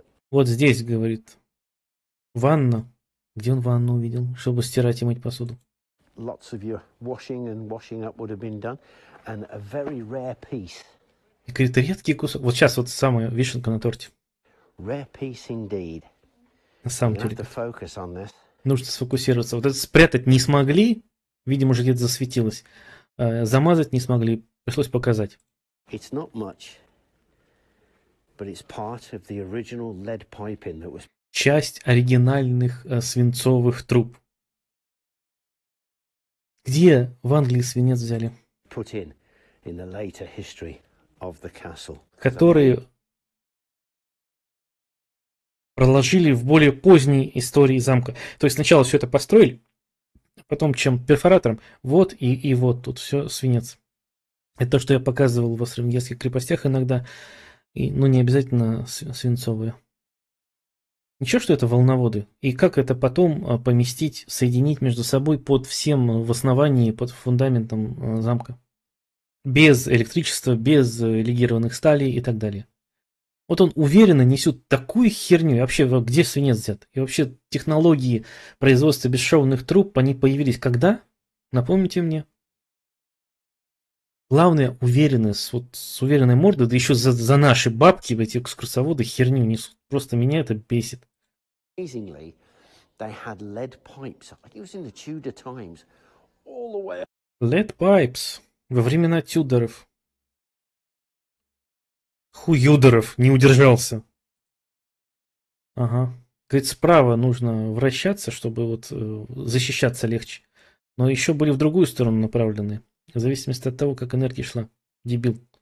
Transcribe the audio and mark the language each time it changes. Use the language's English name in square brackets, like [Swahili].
[Russian] Вот здесь, говорит, ванна. Где он ванну увидел? Чтобы стирать и мыть посуду. [English] Lots of your washing and washing up would have been done, and a very rare piece. [Russian] И говорит, редкий кусок. Вот сейчас вот самая вишенка на торте. [English] Rare piece indeed. [Russian] На самом деле. [English] You have to focus on this. [Russian] Нужно сфокусироваться. Вот это спрятать не смогли, видимо, уже где-то засветилось. Замазать не смогли, пришлось показать. [English] It's not much, but it's part of the original lead piping that was. [Russian] Часть оригинальных свинцовых труб. Где в Англии свинец взяли? [English] Put in the later history of the castle. [Russian] Которые проложили в более поздней истории замка. То есть сначала все это построили, потом чем перфоратором. Вот и вот тут все свинец. Это то, что я показывал в австро-венгерских крепостях иногда. Но не обязательно свинцовые. Ничего, что это волноводы. И как это потом поместить, соединить между собой под всем в основании, под фундаментом замка. Без электричества, без легированных сталей и так далее. Вот он уверенно несет такую херню. И вообще, где свинец взят? И вообще, технологии производства бесшовных труб, они появились когда? Напомните мне. Главное, уверенность, вот с уверенной мордой, да еще за наши бабки, эти экскурсоводы херню несут. Просто меня это бесит. [English] Amazingly, they had lead pipes. It was in the Tudor times, all the way. Lead pipes [Russian] во времена Тюдоров. Хуюдоров не удержался. Ага. Говорит, справа нужно вращаться, чтобы вот защищаться легче. Но еще были в другую сторону направлены, в зависимости от того, как энергия шла. Дебил.